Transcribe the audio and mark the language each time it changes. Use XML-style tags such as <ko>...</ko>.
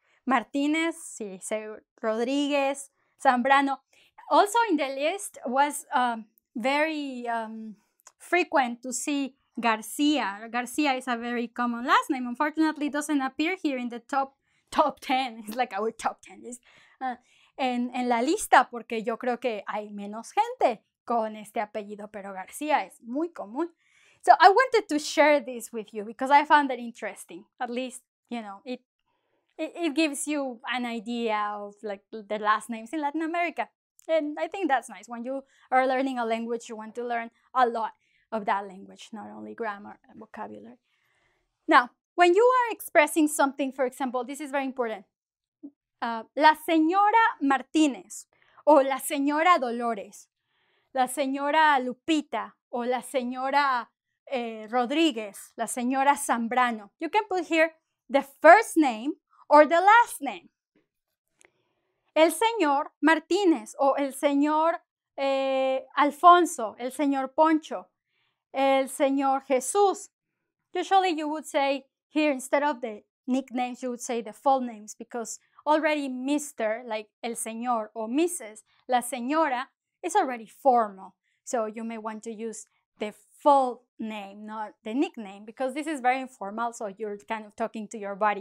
<es>Martínez, sí, sí, Rodríguez, Zambrano.</es> <en>Also in the list was very frequent to see García. García is a very common last name. Unfortunately, it doesn't appear here in the top 10. It's like our top 10 list.</en> <es>En la lista, porque yo creo que hay menos gente con este apellido, pero García es muy común.</es> <en>So I wanted to share this with you because I found it interesting. At least, you know, it gives you an idea of like the last names in Latin America. And I think that's nice. When you are learning a language, you want to learn a lot of that language, not only grammar and vocabulary. Now, when you are expressing something, for example, this is very important.</en> <es>La señora Martínez, o la señora Dolores, la señora Lupita, o la señora Rodríguez, la señora Zambrano.</es> <en>You can put here the first name or the last name.</en> <es>El señor Martínez, o el señor Alfonso, el señor Poncho, el señor Jesús.</es> <en>Usually you would say here, instead of the nicknames, you would say the full names, because already Mr., like el señor, or Mrs., la señora, is already formal. So you may want to use the full name, not the nickname, because this is very informal, so you're kind of talking to your body.</en>